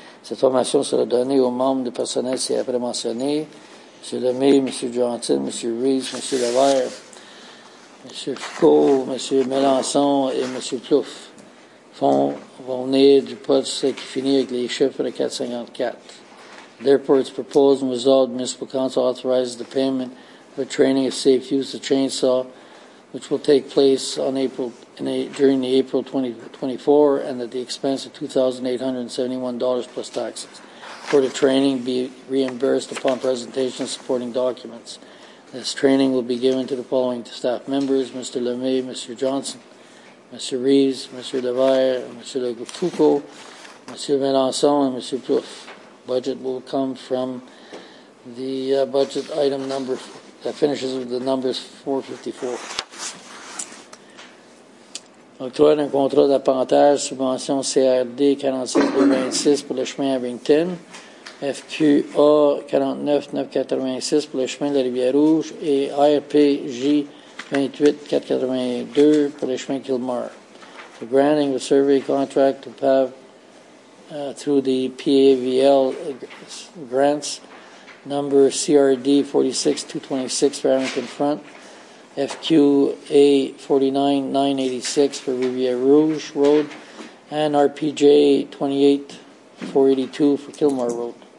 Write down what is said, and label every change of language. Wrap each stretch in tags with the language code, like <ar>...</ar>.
<fr>Cette formation sera donnée aux membres du personnel ci-après mentionné. M. Lemay, M. Gentil, M. Reese, M. Levert, M. Foucault, M. Melançon et M. Plouf vont venir du poste qui finit avec les chiffres de 454.</fr> <en>Therefore, it's proposed and resolved municipal council authorizes the payment of a training of safe use of chainsaw, which will take place on during the April 2024, and that the expense of $2,871 plus taxes for the training be reimbursed upon presentation of supporting documents. This training will be given to the following staff members: Mr. Lemay, Mr. Johnson, Mr. Reeves, Mr. Levire, Mr. Foucault, Mr. Melançon, and Mr. Plouf. Budget will come from the budget item number that finishes with the numbers 454.</en> <fr>Octroi d'un contrat d'appentage, subvention CRD 46-26 pour le chemin à Abington, FQA 49-986 pour le chemin de la Rivière-Rouge et RPJ 28-482 pour le chemin Kilmore.</fr> <en>The granting of a survey contract to PAV through the PAVL grants, number CRD 46226 for Arrington Front, FQA 49986 for Riviere Rouge Road, and RPJ 28482 for Kilmore Road.</en>